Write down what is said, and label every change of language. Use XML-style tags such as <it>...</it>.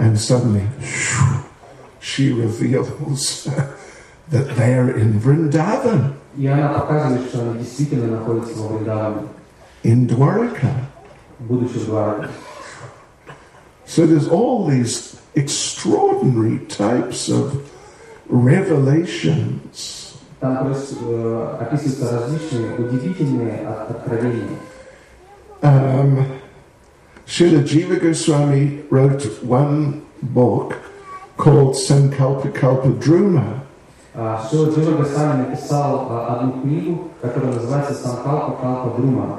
<en>And suddenly, she reveals that they are in Vrindavan.</en> <ru>И она показывает, что она действительно находится в Вриндаване.</ru> <en>In Dwarka.</en> <ru>Будучи в Двараке.</ru> <en>So there's all these extraordinary types of revelations.</en> <ru>Там описываются различные удивительные откровения.</ru> <en>Srila Jiva Goswami wrote one book called Sankalpa Kalpa Druma.</en> <ru>Srila Jiva Goswami написал одну книгу, которая называется Sankalpa Kalpa Druma.</ru>